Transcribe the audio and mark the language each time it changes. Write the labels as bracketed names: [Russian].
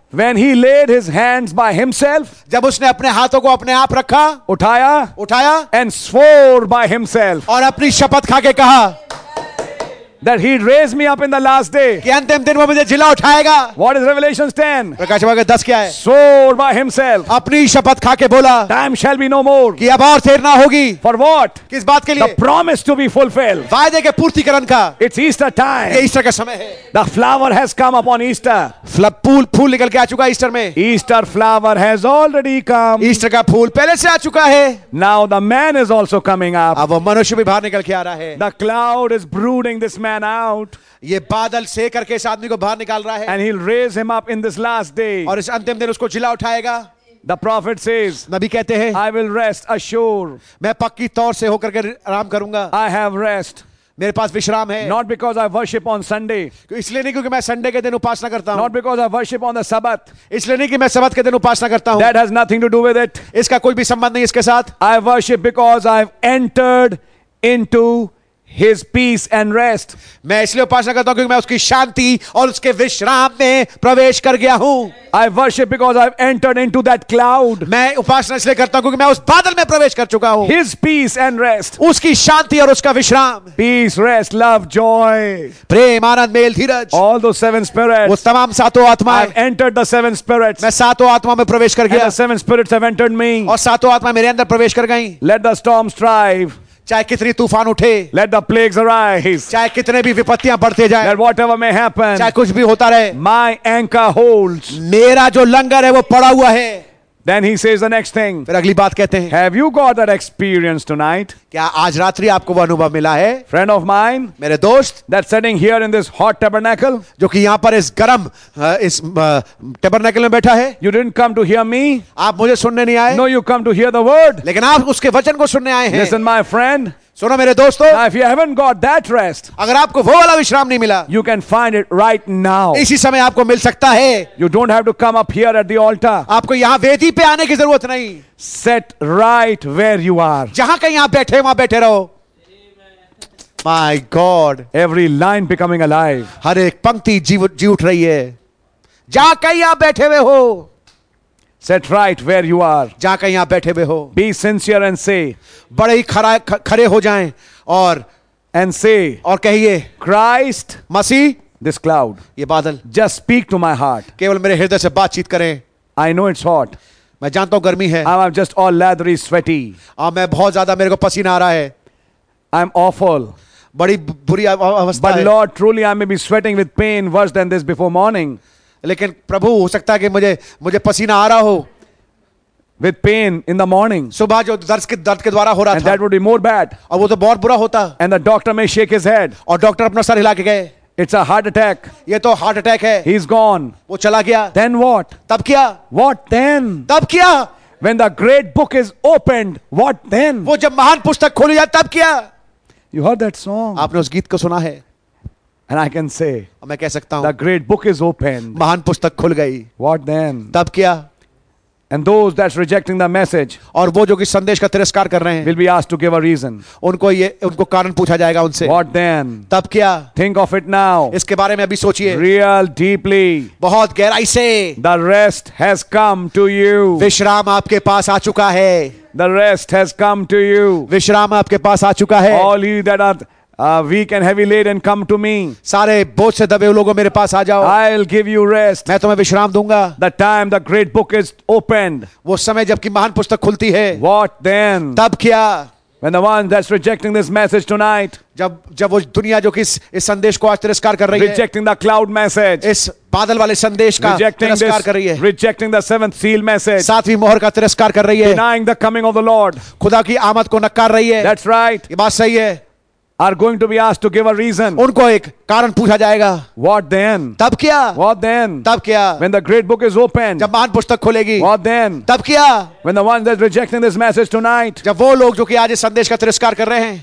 [English] When he laid his hands by himself, [Hindi] जब उसने अपने हाथों को अपने आप रखा, उठाया, [English] and swore by himself, [Hindi] और अपनी शपथ खा के कहा, [English] that he'd raise me up in the last day, [Hindi] कि अंतिम दिन वो मुझे जिला उठाएगा. [English] What is Revelation 10? [Hindi] प्रकाशवाक्य 10 क्या है? [English] Swore by himself, [Hindi] अपनी शपथ खा के बोला, [English] time shall be no more, [Hindi] कि अब और देर ना होगी. [English] For what? [Hindi] किस बात के लिए? [English] The promise to be fulfilled, [Hindi] वायदे के पूर्तिकरण का. [English] It's Easter time, [Hindi] ये ईस्टर का समय है. [English] The flower has come upon Easter, [Hindi] फूल निकल के आ चुका ईस्टर में. [English] Easter flower has already come, [Hindi] Easter का फूल पहले से आ चुका है. [English] Now the man is also coming up, [Hindi] अब वो मनुष्य भी बाहर निकल के आ रहा है. [English] The cloud is brooding this man out, [Hindi] ये बादल से करके इस आदमी को बाहर निकाल रहा है. [English] And he'll raise him up in this last day, [Hindi] और इस अंतिम दिन उसको जिला उठाएगा. [English] The prophet says, [Hindi] नबी कहते हैं, [English] I will rest assured, [Hindi] मैं पक्की तौर से होकर के आराम करूंगा. [English] I have rest, [Hindi] मेरे पास विश्राम है. [English] Not because I worship on Sunday, [Hindi] इसलिए नहीं क्योंकि मैं संडे के दिन उपासना करता हूँ. [English] Not because I worship on the Sabbath, [Hindi] इसलिए नहीं कि मैं सबत के दिन उपासना करता हूँ. [English] That has nothing to do with it, [Hindi] इसका कोई भी संबंध नहीं इसके साथ. [English] I worship because I've entered into His peace and rest. [Hindi] मैं इसलिए उपासना करता हूँ क्योंकि मैं उसकी शांति और उसके विश्राम में प्रवेश कर गया हूँ. [English] I worship because I've entered into that cloud. [Hindi] मैं उपासना इसलिए करता हूँ क्योंकि मैं उस बादल में प्रवेश कर चुका हूँ. [English] His peace and rest. [Hindi] उसकी शांति और उसका विश्राम. [English] Peace, rest, love, joy. [Hindi] Prem, Anand, mail, Dheeraj. [English] All those seven spirits. [Hindi] उस तमाम सातों आत्माएं. [English] I've entered the seven spirits. [Hindi] मैं सातों आत्मा में प्रवेश कर गया. [English] And the seven spirits have entered me. [Hindi] और सातों आत्मा मेरे अंदर प्रवेश कर गई. [English] Let the storms strive. [Hindi] चाहे कितनी तूफान उठे. [English] Let the plagues arise. [Hindi] चाहे कितने भी विपत्तियां बढ़ते जाएं. [English] Let whatever may happen. [Hindi] चाहे कुछ भी होता रहे. [English] My anchor holds. [Hindi] मेरा जो लंगर है वो पड़ा हुआ है. [English] Then he says the next thing. [Hindi] फिर अगली बात कहते हैं. [English] Have you got that experience tonight? [Hindi] क्या आज रात्रि आपको वह अनुभव मिला है? [English] Friend of mine. [Hindi] मेरे दोस्त. [English] That sitting here in this hot tabernacle. [Hindi] जो कि यहाँ पर इस गरम इस tabernacle में बैठा है. [English] You didn't come to hear me. [Hindi] आप मुझे सुनने नहीं आए. [English] No, you come to hear the word. [Hindi] लेकिन आप उसके वचन को सुनने आए हैं. [English] Listen, my friend. [Hindi] सुनो मेरे दोस्तों. [English] Now, if you haven't got that rest, [Hindi] अगर आपको वो वाला विश्राम नहीं मिला, [English] you can find it right now. [Hindi] इसी समय आपको मिल सकता है. [English] You don't have to come up here at the altar. [Hindi] आपको यहाँ वेदी पे आने की जरूरत नहीं. [English] Set right where you are. [Hindi] जहां कहीं आप बैठे वहां बैठे रहो. [English] My God. Every line becoming alive. [Hindi] हर एक पंक्ति जी उठ रही है. जहां कहीं आप बैठे हुए हो. [English] Set right where you are. [Hindi] जहां कहीं आप बैठे हुए हो. [English] Be sincere and say. [Hindi] बड़े ही खड़े हो जाएं और [English] and say. [Hindi] और कहिए. [English] Christ. [Hindi] मसीह. [English] This cloud. [Hindi] ये बादल. [English] Just speak to my heart. [Hindi] केवल मेरे हृदय से बातचीत करें. [English] I know it's hot. [Hindi] मैं जानता हूं गर्मी है. [English] I'm just all leathery, sweaty. [Hindi] और मैं बहुत ज्यादा मेरे को पसीना आ रहा है. [English] I'm awful. [Hindi] बड़ी बुरी अवस्था [English] है. But Lord, truly I may be sweating with pain worse than this before morning. [Hindi] लेकिन प्रभु हो सकता है कि मुझे पसीना आ रहा हो. [English] With pain in the morning. [Hindi] सुबह जो दर्द के द्वारा हो रहा [English] था. And that would be more bad. [Hindi] और वो तो बहुत बुरा होता. [English] And the doctor may shake his head. [Hindi] और डॉक्टर अपना सर हिला के गए. [English] It's a heart attack. [Hindi] ये तो हार्ट अटैक है. [English] He's gone. [Hindi] वो चला गया. [English] Then what? [Hindi] तब क्या? [English] What then? [Hindi] तब क्या? [English] When the great book is opened, what then? [Hindi] वो जब महान पुस्तक खोली जाए तब क्या? [English] You heard that song. [Hindi] आपने उस गीत को सुना है. [English] And I can say, [Hindi] मैं कह सकता हूं, [English] the great book is open. [Hindi] महान पुस्तक खुल गई. [English] What then? [Hindi] तब क्या? [English] And those that's rejecting the message, [Hindi] और वो जो कि संदेश का तिरस्कार कर रहे हैं, [English] will be asked to give a reason. [Hindi] उनको कारण पूछा जाएगा उनसे. [English] What then? [Hindi] तब क्या? [English] Think of it now. [Hindi] इसके बारे में अभी सोचिए. [English] Real deeply. [Hindi] बहुत गहराई से. [English] The rest has come to you. [Hindi] विश्राम आपके पास आ चुका है. [English] The rest has come to you. [Hindi] विश्राम आपके पास आ चुका है. [English] All you that are weak and heavy laden, come to me. [Hindi] सारे बोझ से दबे लोगों मेरे पास आ जाओ. [English] I'll give you rest. [Hindi] मैं तुम्हें विश्राम दूंगा. [English] The time the great book is opened. [Hindi] वो समय जबकि महान पुस्तक खुलती है. [English] What then? [Hindi] तब क्या? [English] When the ones that's rejecting this message tonight. [Hindi] जब वो दुनिया जो कि इस संदेश को आज तिरस्कार कर रही [English] है. Rejecting the cloud message. [Hindi] इस बादल वाले संदेश का तिरस्कार कर रही है. [English] Rejecting the seventh seal message. [Hindi] सातवीं मोहर का तिरस्कार कर रही है. [English] Denying the coming of the Lord. [Hindi] खुदा की आमद को नकार रही है. [English] That's right. [Hindi] ये बात सही है. [English] Are going to be asked to give a reason. [Hindi] उनको एक कारण पूछा जाएगा. [English] What then? [Hindi] तब क्या? [English] What then? [Hindi] तब क्या? [English] When the great book is opened. [Hindi] जब महान पुस्तक खुलेगी. [English] What then? [Hindi] तब क्या? [English] When the one that's rejecting this message tonight. [Hindi] जब वो लोग जो कि आज इस संदेश का तिरस्कार कर रहे हैं.